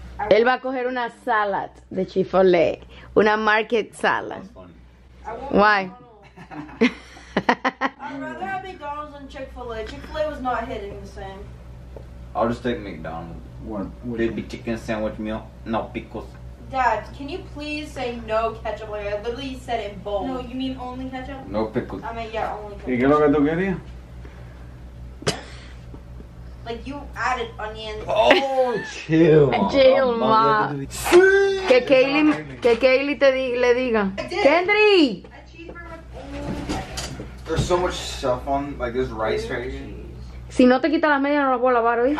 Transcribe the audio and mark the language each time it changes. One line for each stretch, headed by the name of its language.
Spanish: Él va a coger una salad de Chifolé, una
English: market salad. Why? I'd rather have McDonald's than Chick-fil-A. Chick-fil-A was not hitting the same. I'll just take McDonald's. Would it be chicken sandwich meal? No pickles. Dad, can you please say no ketchup? Like, I literally said it bold. No, you mean only ketchup? No pickles. I mean, yeah, only ketchup.
Spanish: ¿Y qué es lo que tú querías?
English: Like, you added onions. Oh, chill. Chill, ma.
Spanish: Sí. Que Keilly, que Keilly te di, le diga.
English: I did. Kendry. There's so much stuff on, like, this rice right here.
Spanish: Si no te quita las medias, no las puedo lavar, ¿oíste?